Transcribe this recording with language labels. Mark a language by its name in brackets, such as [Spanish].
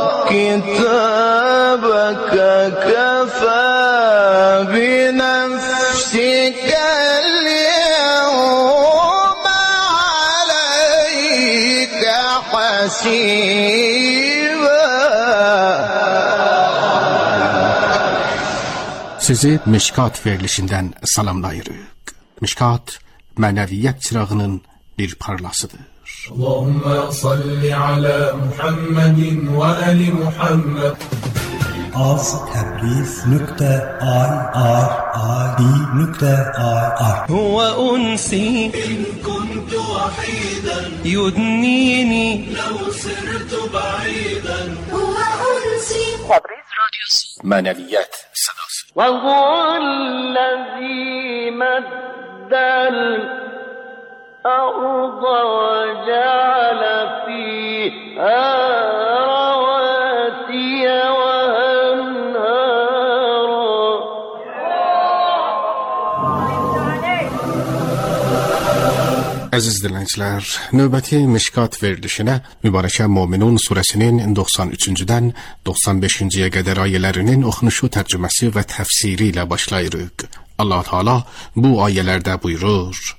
[Arabic] كتابك كفى بنفسك اليوم عليك حسيبا. [Azerbaijani] Sizi Mişkat verilişinden selamlayırık. Mişkat, meneviyet çırağının bir parlasıdır. [Arabic] اللهم صل على محمد وآل محمد. از تبریز نکته آر آر آری نکته آر آر هو انسی ان کنت وحیدا یدنینی لو سرت بعیدا هو انسی. [Azerbaijani] تبریز رادیو سوز منویت صداس [Arabic] و هو الذی مدل أرض وجعل فيها رواسي وأنهارا [Azerbaijani] Aziz dinleyiciler, növbəti Mişkat verilişinə Mübarəkə Möminun surəsinin 93-dən 95-ciyə qədər ayələrinin oxunuşu tərcüməsi və təfsiri ilə başlayırıq. Allah-u Teala bu ayələrdə buyurur: